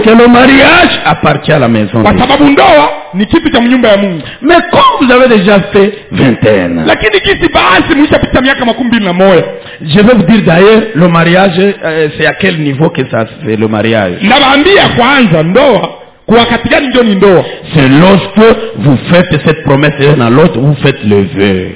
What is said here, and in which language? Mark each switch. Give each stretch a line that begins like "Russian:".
French: Parce que le mariage appartient à la maison.
Swahili: Kwa sababu ndoa ni kitu cha nyumba ya Mungu.
French: Mais comme vous avez déjà fait 21.
Swahili: Lakini kisi basi mshapita miaka 21.
French: Je vais vous dire d'ailleurs le mariage c'est à quel niveau que ça c'est le mariage.
Swahili: Nabambia kwanza ndoa wakati gani ndio ni ndoa?
French: C'est lorsque vous faites cette promesse l'un à l'autre, vous faites le vœu.